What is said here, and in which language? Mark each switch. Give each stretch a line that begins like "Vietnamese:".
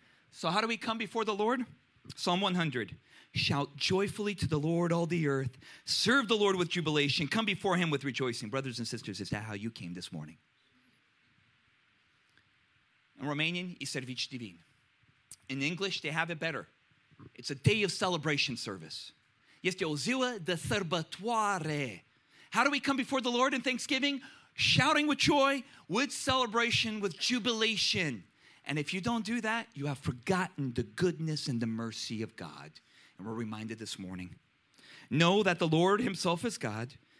English: So how do we come before the Lord? Psalm 100. Shout joyfully to the Lord, all the earth. Serve the Lord with jubilation. Come before him with rejoicing. Brothers and sisters, is that how you came this morning? In Romanian, I servici divin. In English, they have it better. It's a day of celebration service.
Romanian: Este o ziua de sărbătoare.
English: How do we come before the Lord in thanksgiving? Shouting with joy, with celebration, with jubilation. And if you don't do that, you have forgotten the goodness and the mercy of God. And we're reminded this morning. Know that the Lord himself is God.